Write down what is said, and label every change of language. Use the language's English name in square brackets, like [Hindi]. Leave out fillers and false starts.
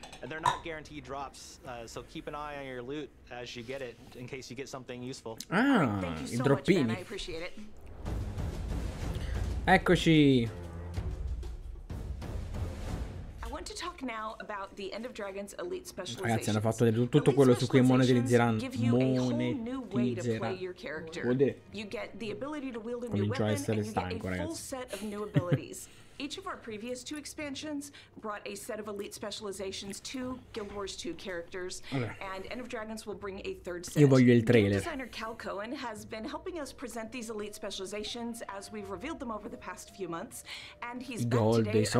[English] And they're not guaranteed drops, so keep an eye on your loot as you get it, in case you get something useful. Ah, thank you so droppini. Much, Ben. I appreciate it. [Italian] Eccoci! [English] I want to talk now about the End of Dragons Elite Specialization. [Italian] Ragazzi, hanno fatto vedere tutto quello su cui monetizzeranno. Vuol dire? [English] You get the ability to wield a new weapon, and you get a full set of new abilities. Each of our previous two expansions brought a set of elite specializations to Guild Wars 2 characters, and End of Dragons will bring a third set. [Italian] Io voglio il trailer. [English] Game designer Cal Cohen has been helping us present these elite specializations as we've revealed them over the past few months, and he's back today as we